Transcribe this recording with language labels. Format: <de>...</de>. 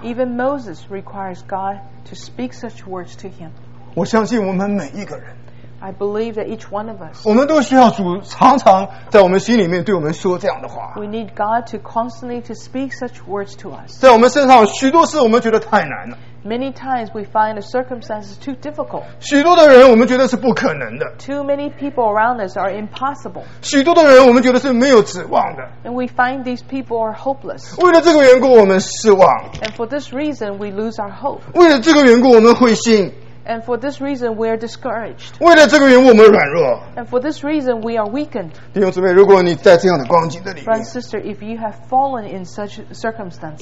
<en>Even Moses requires God to speak such words to him.</en> <zh>我相信我们每一个人,</zh> <en>I believe that each one of us,</en> <zh>我们都需要主常常在我们心里面对我们说这样的话。</zh> <en>We need God to constantly to speak such words to us.</en> <zh>在我们身上许多事我们觉得太难了。</zh> <en>Many times we find the circumstances too difficult.</en> <zh>许多的人我们觉得是不可能的。</zh> <en>Too many people around us are impossible.</en> <zh>许多的人我们觉得是没有指望的。</zh> <en>And we find these people are hopeless.</en> <zh>为了这个缘故我们失望。</zh> <en>And for this reason we lose our hope.</en> <zh>为了这个缘故我们灰心。</zh> <en>And for this reason we are discouraged.</en> <zh>为了这个缘故我们软弱。</zh> <en>And for this reason we are weakened.</en> <zh>弟兄姊妹，如果你在这样的光景的里面，</zh> <en>Friend, sister, if you have fallen in such circumstances,</en>